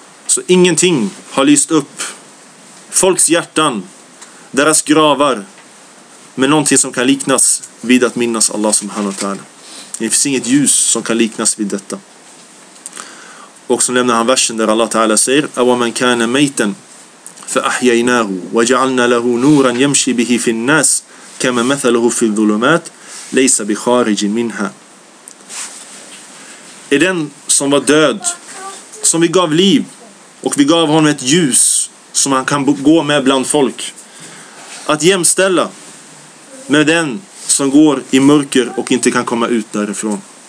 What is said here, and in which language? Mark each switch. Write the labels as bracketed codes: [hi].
[sv] Så ingenting har lyst upp folks hjärtan, deras gravar, med någonting som kan liknas vid att minnas Allah subhanahu wa ta'ala. Det finns inget ljus som kan liknas vid detta. Och så lämnar han versen där Allah ta'ala säger: [ar] وَمَنْ كَانَ مَيْتًا فَأَحْيَيْنَاهُ وَجَعَلْنَا لَهُ نُورًا يَمْشِي بِهِ فِي النَّاسِ كَمَ مَثَلُهُ فِي الظُّلُمَاتِ لَيْسَ بِخَارِجٍ مِنْهَا. [sv] Är den som var död, som vi gav liv och vi gav honom ett ljus som han kan gå med bland folk, att jämställa med den som går i mörker och inte kan komma ut därifrån.